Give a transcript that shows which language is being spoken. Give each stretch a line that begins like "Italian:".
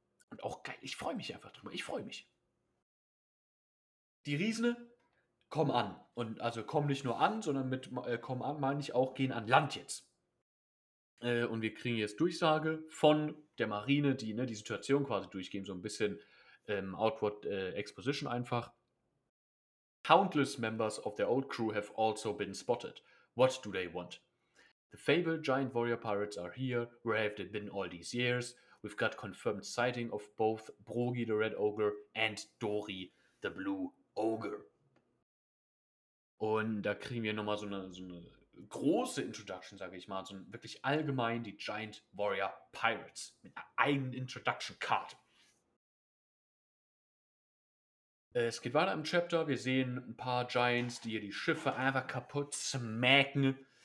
German: Und auch geil, ich freue mich einfach drüber, ich freue mich. Die Riesen komm an. Und also komm nicht nur an, sondern mit komm an meine ich auch, gehen an Land jetzt. Und wir kriegen jetzt Durchsage von der Marine, die ne, die Situation quasi durchgeben, so ein bisschen Outward Exposition einfach.
English: Countless members of their old crew have also been spotted. What do they want? The fabled giant warrior pirates are here. Where have they been all these years? We've got confirmed sighting of both Brogi the Red Ogre and Dory the Blue Ogre.
German: Und da kriegen wir nochmal so eine große Introduction, sage ich mal. So wirklich allgemein die Giant Warrior Pirates mit einer eigenen Introduction-Card. Es geht weiter im Chapter. Wir sehen ein paar Giants, die hier die Schiffe einfach kaputt smacken.